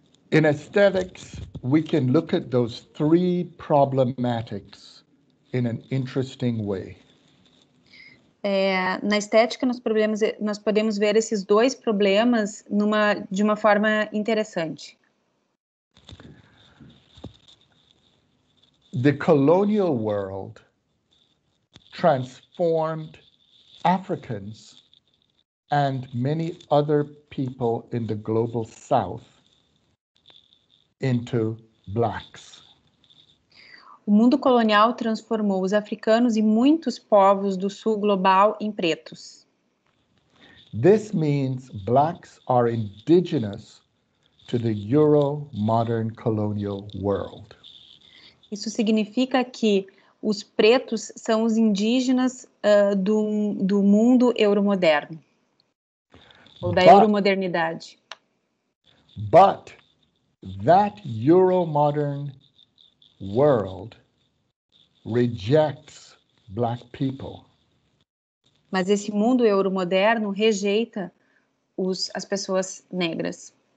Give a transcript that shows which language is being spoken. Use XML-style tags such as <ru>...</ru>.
<en>In aesthetics, we can look at those three problematics in an interesting way.</en> <pt>É, na estética, nós podemos ver esses dois problemas de uma forma interessante.</pt> <en>The colonial world transformed Africans and many other people in the global south into blacks.</en> <pt>O mundo colonial transformou os africanos e muitos povos do sul global em pretos.</pt> <en>This means blacks are indigenous to the Euro-modern colonial world.</en> <pt>Isso significa que os pretos são os indígenas do mundo euromoderno, ou da euromodernidade.</pt> <en>But that Euro-modern world rejects black people.</en> <pt>Mas esse mundo euromoderno rejeita as pessoas negras.</pt>